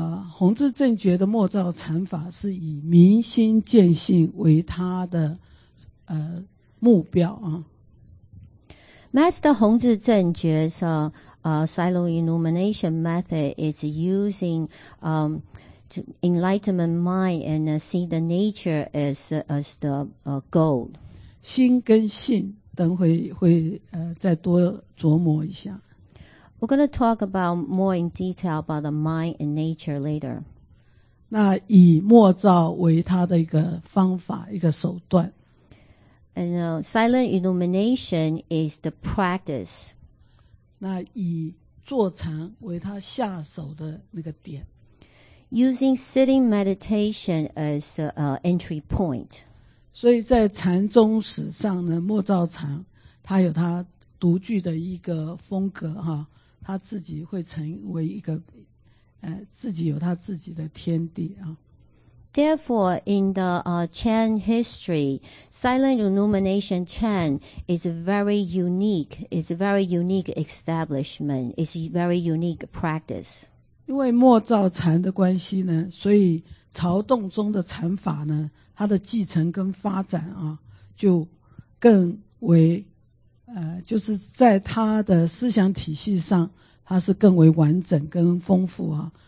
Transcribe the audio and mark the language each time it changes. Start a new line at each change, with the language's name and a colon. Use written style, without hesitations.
Chinese: 弘治正觉的默照禅法是以明心见性为他的目标啊。
English: Master 弘治正觉的silo illumination method is using enlightenment mind and see the nature as the goal.
Chinese: 心跟性等会再多琢磨一下。
English: We're going to talk about more in detail about the mind and nature later.
Chinese: 那以默照为他的一个方法，一个手段。
English: And silent illumination is the practice.
Chinese: 那以坐禅为他下手的那个点。
English: Using sitting meditation as an entry point.
Chinese: 所以在禅宗史上呢，默照禅他有他独具的一个风格哈。他自己会成为一个自己有他自己的天地啊。
English: Therefore, in the Chan history, silent illumination Chan is very unique. It's a very unique establishment. It's very unique practice.
Chinese: 因为默照禅的关系呢，所以朝洞宗的禅法呢，它的继承跟发展啊，就更为就是在他的思想体系上他是更为完整跟丰富啊。